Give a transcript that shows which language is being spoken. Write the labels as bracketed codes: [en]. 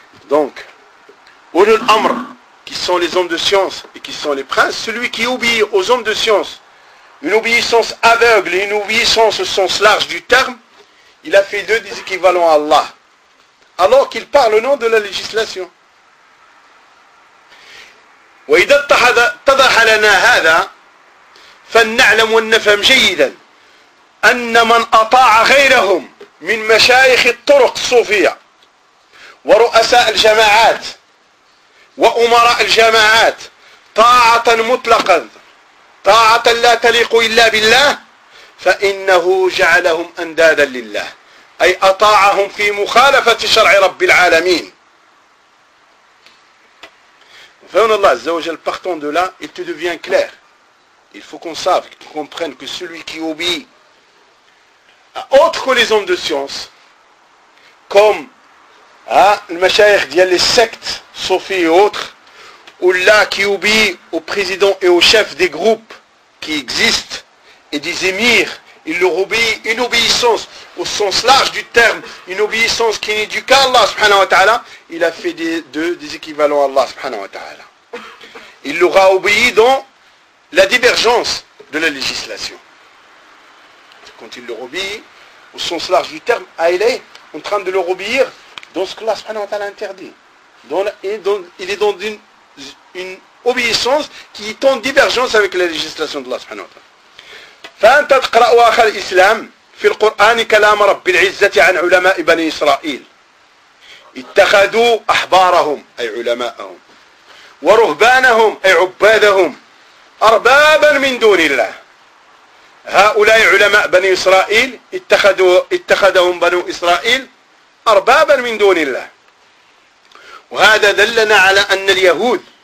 [fr] donc أولو الأمر qui sont les hommes de science et qui sont les princes, celui qui obéit aux hommes de science, une obéissance aveugle et une obéissance au sens large du terme, il a fait deux des équivalents à Allah alors qu'il parle au nom de la législation. [ar] وإذا اتضح لنا هذا فلنعلم ونفهم جيدا أن من أطاع غيرهم من مشايخ الطرق الصوفية ورؤساء الجماعات وأمراء الجماعات طاعة مطلقا طاعة لا تليق إلا بالله فإنه جعلهم أندادا لله أي أطاعهم في مخالفة شرع رب العالمين. [fr] Partant de là, il te devient clair. Il faut qu'on sache, qu'on comprenne que celui qui obéit à autre que les hommes de science, comme à le machaïr, les sectes, sophies et autres, ou là qui obéit au président et au chef des groupes qui existent, et des émirs, il leur obéit une obéissance au sens large du terme, une obéissance qui n'est du qu'à Allah subhanahu wa ta'ala, il a fait des équivalents à Allah subhanahu wa ta'ala. Il leur a obéi dans la divergence de la législation. Quand il leur obéit au sens large du terme, il est en train de leur obéir dans ce que Allah subhanahu wa ta'ala interdit. Il est dans une obéissance qui est en divergence avec la législation de Allah subhanahu wa ta'ala. [ar] فأنت تقرأ أخا الإسلام في القرآن كلام رب العزة عن علماء بني إسرائيل اتخذوا أحبارهم أي علماءهم ورهبانهم أي عبادهم أربابا من دون الله هؤلاء علماء بني إسرائيل اتخذهم بنو إسرائيل أربابا من دون الله وهذا دلنا على أن اليهود